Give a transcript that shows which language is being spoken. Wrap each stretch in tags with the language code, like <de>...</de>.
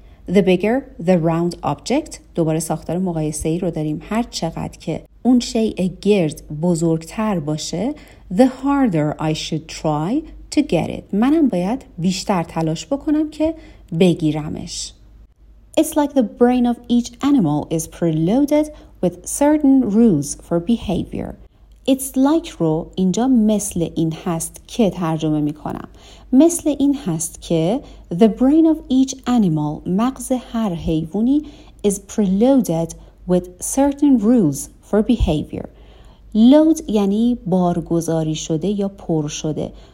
<en>The bigger the round object</en> <fa>دوباره ساختار مقایسه‌ای رو داریم. هر چقدر که اون شیء گرد بزرگتر باشه</fa> <en>the harder I should try to get it</en> <fa>منم باید بیشتر تلاش بکنم که بگیرمش.</fa> <en>It's like the brain of each animal is preloaded with certain rules for behavior. It's like</en> <fa>رو اینجا مثل این هست که ترجمه می کنم. مثل این هست که</fa> <en>the brain of each animal</en> <fa>مغز هر حیوانی</fa> <en>is preloaded with certain rules for behavior.</en> <fa>Load یعنی بارگذاری شده یا پر شده.</fa>